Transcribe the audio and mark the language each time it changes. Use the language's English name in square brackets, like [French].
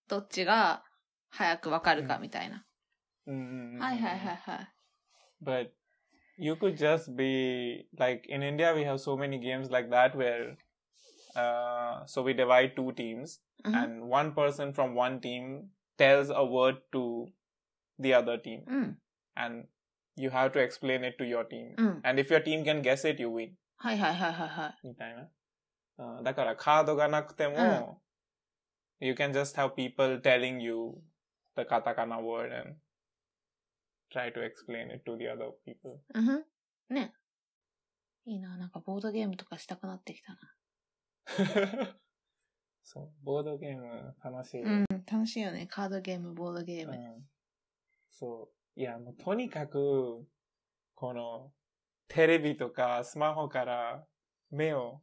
[Japanese] どっちが早くわかるかみたいな。はいはいはいはい。 [English] But you could just be like in India we have so many games like that where so we divide two teams、 mm-hmm. and one person from one team tells a word to the other team、 mm-hmm. and you have to explain it to your team、 mm-hmm. and if your team can guess it you win。 [Japanese] はいはいはいはいはい。みたいな。だからカードがなくても、うん、 [English] You can just have people telling you the katakana word and try to explain it to the other people. [Japanese] うん、ね。いいな、なんかボードゲームとかしたくなってきたな。そう、ボードゲーム楽しい。うん、楽しいよね、カードゲーム、ボードゲーム。うん、そう、いやもうとにかくこのテレビとかスマホから目を